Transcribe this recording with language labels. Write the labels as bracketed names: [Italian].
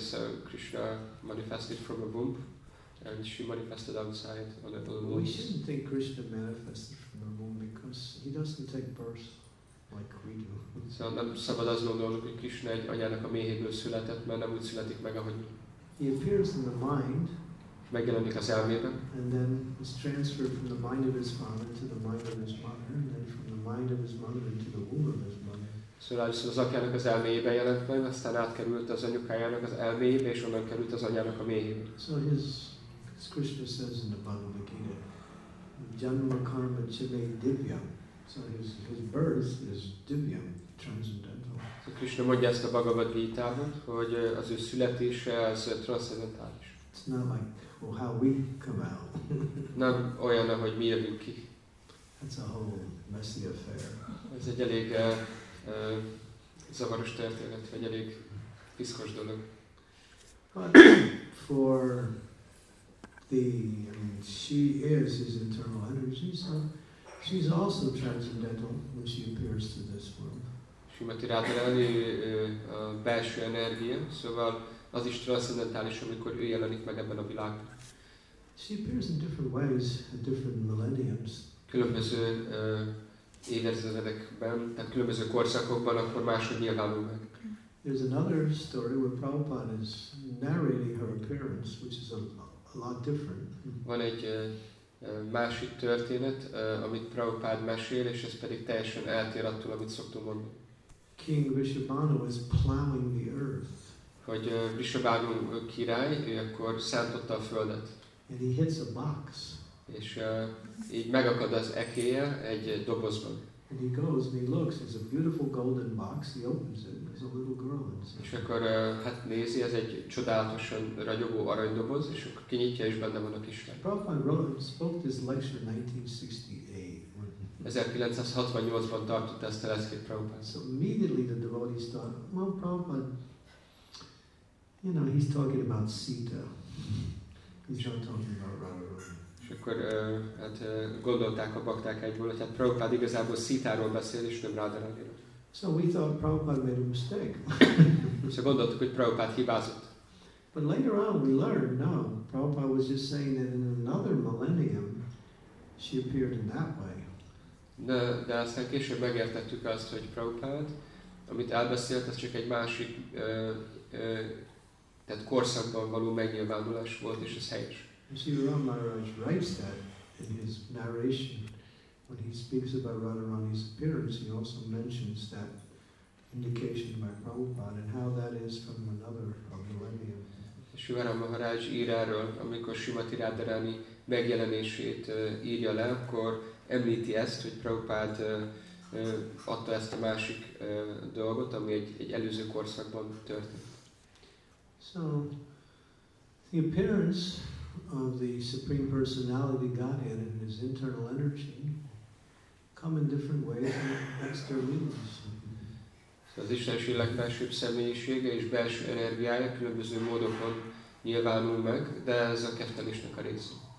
[English] So Krishna manifested from a womb, and she manifested outside on the lotus. We shouldn't think Krishna manifested from a womb, because he doesn't take birth like we do. [Hungarian] Szóval nem szabad azt gondolnunk, hogy Krishna egy anyának a méhéből született, mert nem úgy születik meg, ahogy... [English] He appears in the mind, [Hungarian] megjelenik az elmében, [English] and then is transferred from the mind of his father to the mind of his mother, and then from the mind of his mother into the womb of his mother. [Hungarian] Szóval az anyának az elméjében jelent meg, aztán átkerült az anyukájának az elméjébe, és onnan került az anyának a méhébe. [English] So his, as Krishna says in the Bhagavad Gita, [Sanskrit] janma karma chive divyam. [English] So his birth is divyam, transcendental. [Hungarian] So Krishna mondja ezt a Bhagavad Gita-ban, hogy az ő születése az transzendentális. [English] It's not like, well, how we come out. [Hungarian] Nem olyan, ahogy mi jövünk ki. [English] That's a whole messy affair. [Hungarian] Ez egy elég zavaros történet, vagy elég piszkos dolog. [English] But for the, I mean, she is his internal energy, so she's also transcendental when she appears to this world. [Hungarian] Srimati Rádarani a belső energia, szóval az is transzendentális, amikor ő jelenik meg ebben a világban. [English] She appears in different ways at different millenniums. [Hungarian] Különböző évezredekben, tehát különböző korszakokban, akkor máshogy nyilvánul meg. [English] There's another story where Prabhupada is narrating her appearance, which is a lot different. [Hungarian] Van egy másik történet, amit Prabhupada mesél, és ez pedig teljesen eltér attól, amit szoktunk mondani. [English] King Vrishabhanu is plowing the earth. [Hungarian] Hogy Vrishabhanu király, ő akkor szántotta a földet. [English] And he hits a box. [Hungarian] És így megakad az ekéje egy dobozban. [English] And he goes and he looks, it's a beautiful golden box, he opens it, there's a little girl inside. [Hungarian] És akkor hát nézi, ez egy csodálatosan ragyogó aranydoboz, és akkor kinyitja, és benne van a kislány. [English] Prabhupada wrote and spoke this lecture in 1968. [Hungarian] 1968-ban tartott ezt a leckét Prabhupada. [English] So immediately the devotees thought, well, Prabhupada, you know, he's talking about Sita. He's not talking about Radharani. [Hungarian] És akkor gondolták a bakták egyből, hogy hát Prabhupada igazából Sita-ról beszél, és nem Radharaniról. [English] So we thought Prabhupada made a mistake. [Hungarian] Szóval gondoltuk, hogy Prabhupada hibázott. [English] But later on we learned, no, Prabhupada was just saying that in another millennium she appeared in that way. [Hungarian] De aztán később megértettük azt, hogy Prabhupád, amit elbeszélt, az csak egy másik tehát korszakban való megnyilvánulás volt, és ez helyes. [English] Ram Maharaj writes that in his narration, when he speaks about Radharani's appearance, he also mentions that indication by Prabhupada and how that is from another millennium. [Hungarian] Shivana Maharaj ír erről, amikor Srimati Radharani megjelenését írja le, akkor említi ezt, hogy Prabhupád adta ezt a másik dolgot, ami egy előző korszakban történt. [English] So, the appearance of the Supreme Personality Godhead and his internal energy come in different ways and external means. [Hungarian] Az Istenség legbelsőbb személyisége és belső energiája különböző módokon nyilvánul meg, de ez a keftelésnek a része.